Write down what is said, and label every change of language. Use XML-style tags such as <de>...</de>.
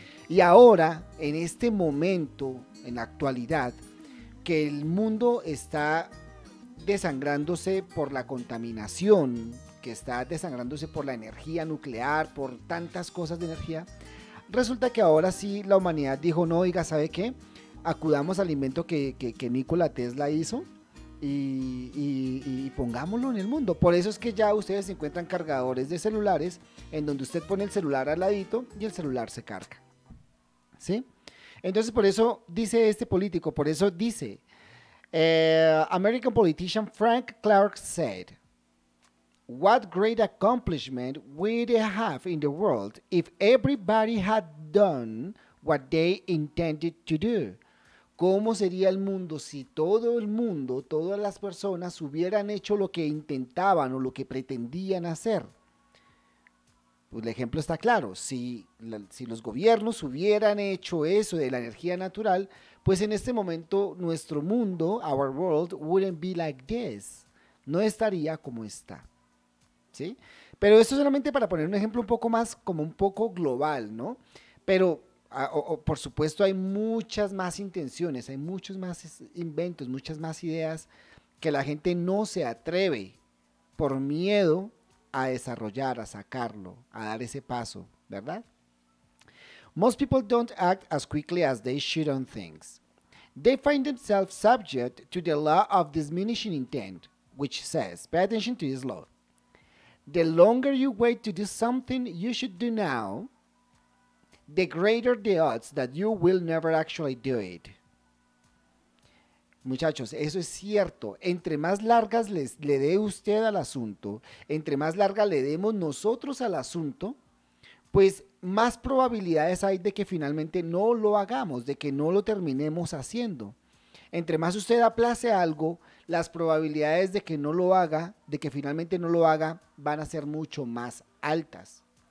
<es>Y ahora, en este momento, en la actualidad, que el mundo está desangrándose por la contaminación, que está desangrándose por la energía nuclear, por tantas cosas de energía, resulta que ahora sí la humanidad dijo, no, oiga, ¿sabe qué? Acudamos al invento que Nikola Tesla hizo y pongámoslo en el mundo. Por eso es que ya ustedes encuentran cargadores de celulares en donde usted pone el celular al ladito y el celular se carga. ¿Sí? Entonces, por eso dice este político, por eso dice,</es> <en>American politician Frank Clark said, What great accomplishment we'd have in the world if everybody had done what they intended to do.</en> <es>¿Cómo sería el mundo si todo el mundo, todas las personas hubieran hecho lo que intentaban o lo que pretendían hacer? Pues el ejemplo está claro. Si los gobiernos hubieran hecho eso de la energía natural, pues en este momento nuestro mundo,</es> <en>our world, wouldn't be like this.</en> <es>No estaría como está. ¿Sí? Pero esto solamente para poner un ejemplo un poco más, como un poco global, ¿no? Pero, por supuesto, hay muchas más intenciones, hay muchos más inventos, muchas más ideas que la gente no se atreve por miedo a desarrollar, a sacarlo, a dar ese paso, ¿verdad?</es> <en>Most people don't act as quickly as they should on things. They find themselves subject to the law of diminishing intent, which says, pay attention to this law. The longer you wait to do something you should do now, the greater the odds that you will never actually do it.</en> <es>Muchachos, eso es cierto. Entre más largas le dé usted al asunto, entre más larga le demos nosotros al asunto, pues más probabilidades hay de que finalmente no lo hagamos, de que no lo terminemos haciendo. Entre más usted aplace algo, las probabilidades de que no lo haga, de que finalmente no lo haga, van a ser mucho más altas.</es>